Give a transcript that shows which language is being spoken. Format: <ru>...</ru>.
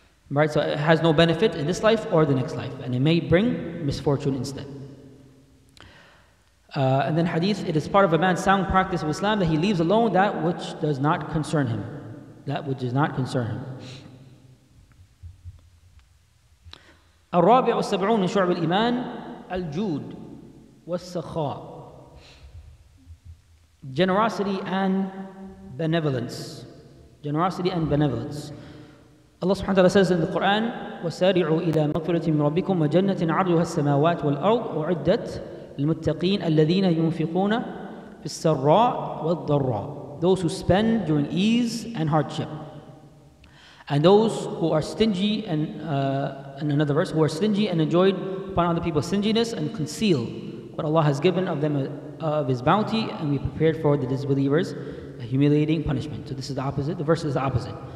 <en>Right, so it has no benefit in this life or the next life, and it may bring misfortune instead. And then hadith, it is part of a man's sound practice of Islam that he leaves alone that which does not concern him. That which does not concern him.</en> <ar>الرابع والسبعون من شعب الإيمان الجود والسخاء.</ar> <en>Generosity and benevolence. Generosity and benevolence. Allah subhanahu wa ta'ala says in the Quran,</en> <ar>وَسَارِعُوا إِلَى مَغْفِرَةٍ مِنْ رَبِّكُمْ وَجَنَّةٍ عَرْضُهَا السَّمَاوَاتِ وَالْأَرْضُ وَعِدَّتْ لِلْمُتَّقِينَ الَّذِينَ يُنْفِقُونَ فِي السَّرَّاءِ وَالضَّرَّاءِ.</ar> <en>Those who spend during ease and hardship. And those who are stingy, and in another verse, who are stingy and enjoyed upon other people's stinginess and conceal what Allah has given of them of His bounty, and we prepared for the disbelievers a humiliating punishment. So this is the opposite. The verse is the opposite.</en>